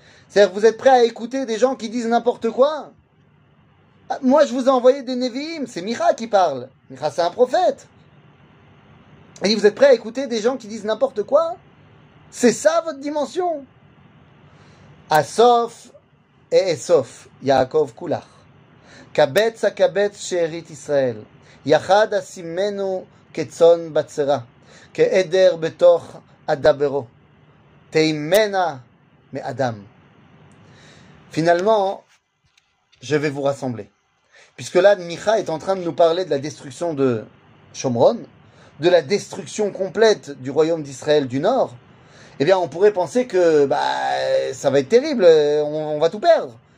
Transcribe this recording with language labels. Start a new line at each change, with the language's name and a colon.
French: C'est-à-dire, vous êtes prêts à écouter des gens qui disent n'importe quoi? Moi, je vous ai envoyé des Nevi'im. C'est Micha qui parle. Micha, c'est un prophète. Et vous êtes prêts à écouter des gens qui disent n'importe quoi? C'est ça, votre dimension?
Hebrew: Asof et esof Yaakov Kulach. קבץ הקבץ שארית ישראל, יחד אשימנו כצאן בצרה, כעדר בתוך אדברו, תימנה מאדם.
French: Finalement, je vais vous rassembler. Puisque là, Micha est en train de nous parler de la destruction de Shomron, de la destruction complète du royaume d'Israël du Nord, eh bien, on pourrait penser que ça va être terrible, on va tout perdre.